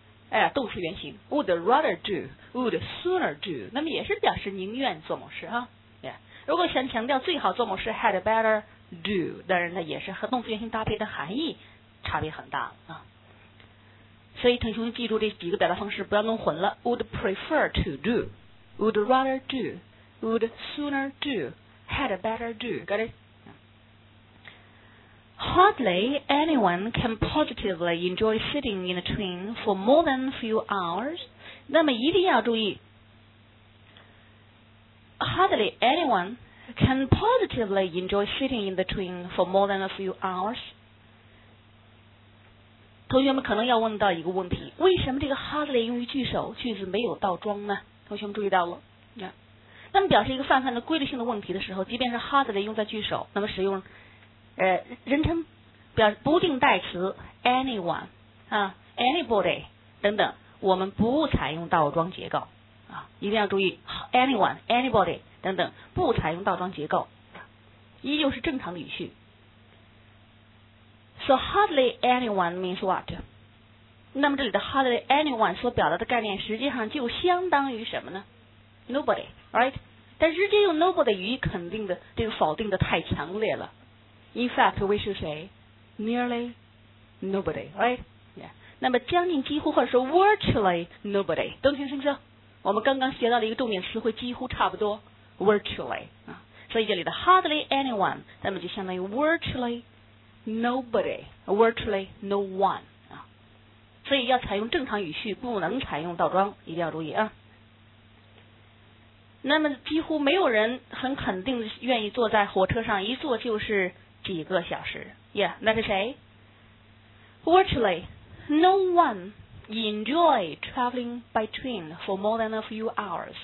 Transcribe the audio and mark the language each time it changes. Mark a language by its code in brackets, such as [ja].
[zh] 哎，动词原形 [en] would rather do would sooner do， [zh] 那么也是表示宁愿做某事、啊 yeah. 如果想强调最好做某事 [en] had betterdo， [zh] 当然它也是和动词原形搭配的含义差别很大啊。所以同学们记住这几个表达方式，不要弄混了。 [en] Would prefer to do, would rather do, would sooner do, had better do. Got it? Hardly anyone can positively enjoy sitting in a train for more than a few hours. [zh] 那么一定要注意 [en] ，hardly anyone. Can positively enjoy sitting in the train for more than a few hours? [zh] 同学们可能要问到一个问题，为什么这个 hardly 用于句首，句子没有倒装呢？同学们注意到了、yeah. 那么表示一个泛泛的规律性的问题的时候，即便是 hardly 用在句首，那么使用人称表不定代词 anyone、anybody 等等，我们不采用倒装结构啊，一定要注意 anyone anybody等等，不采用倒装结构，依旧是正常语序。 [en] So hardly anyone means what? [zh] 那么这里的 hardly anyone 所表达的概念实际上就相当于什么呢？ [en] Nobody, right? [zh] 但直接用 nobody 予以肯定的这个否定的太强烈了。 [en] In fact, we should say nearly nobody, right? Yeah. [zh] 那么将近几乎或者说 [en] virtually nobody, don't you think so? [zh] 我们刚刚学到的一个重点词汇几乎差不多。 Virtually、啊、所以这里的 hardly anyone 那么就相当于 [en] virtually nobody virtually no one、 [zh] 啊、所以要采用正常语序，不能采用倒装，一定要注意啊。那么几乎没有人很肯定愿意坐在火车上一坐就是几个小时 Yeah, 那是谁？ [en] Virtually no one enjoy traveling by train for more than a few hours.